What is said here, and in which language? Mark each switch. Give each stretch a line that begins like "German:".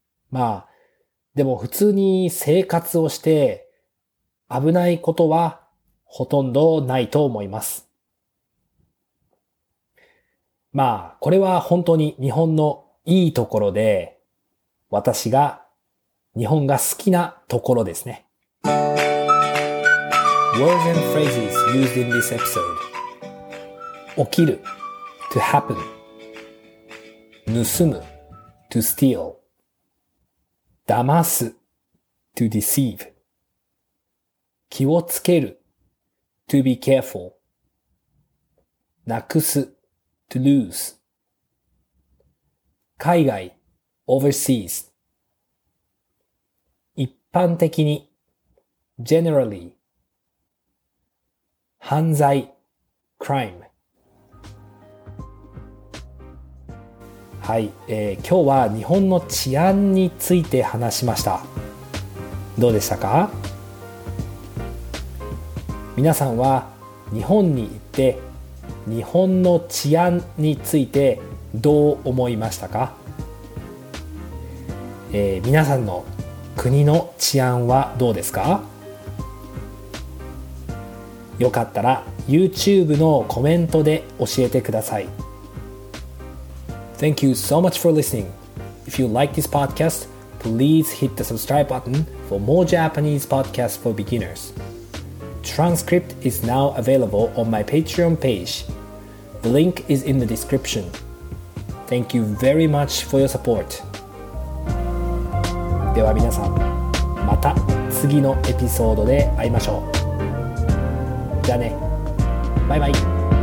Japanese: まあ、でも普通に生活をして危ないことはほとんどないと思います。まあ、これは本当に日本のいいところで、私が日本が好きなところですね。
English: Words and phrases used in this episode: 起きる to happen、 盗む to steal、 騙す to deceive、 気をつける to be careful、 なくす to lose、 海外 overseas、一般的に、 generally 犯罪 crime。
Japanese: はい、今日は日本の治安について話しました。どうでしたか？皆さんは日本に行って日本の治安についてどう思いましたか？皆さんの国の治安はどうですか？よかったら YouTube のコメントで教えてください。
English: Thank you so much for listening. If you like this podcast, please hit the subscribe button for more Japanese podcasts for beginners. Transcript is now available on my Patreon page. The link is in the description. Thank you very much for your support.
Japanese: では皆さん、また次のエピソードで会いましょう。じゃあね。バイバイ。